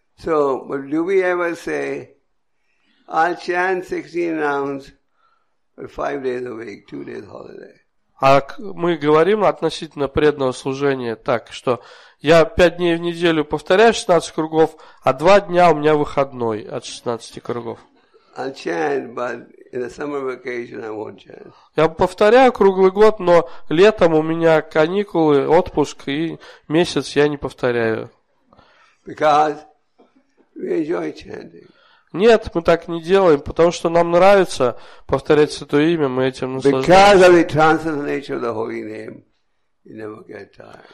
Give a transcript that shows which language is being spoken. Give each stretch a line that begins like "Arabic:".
English: So, do we ever say, I'll chant 16 rounds for 5 days a week, 2 days holiday?
Russian: А мы говорим относительно преданного служения так, что я 5 дней в неделю повторяю 16 кругов, а 2 дня у меня выходной от 16 кругов.
English: I'll chant, but in the summer vacation I won't chant.
Russian: Я повторяю круглый год, но летом у меня каникулы, отпуск, и месяц я не повторяю.
English: Because we enjoy chanting.
Russian: Нет, мы так не делаем, потому что нам нравится повторять Святое Имя, мы этим наслаждаемся.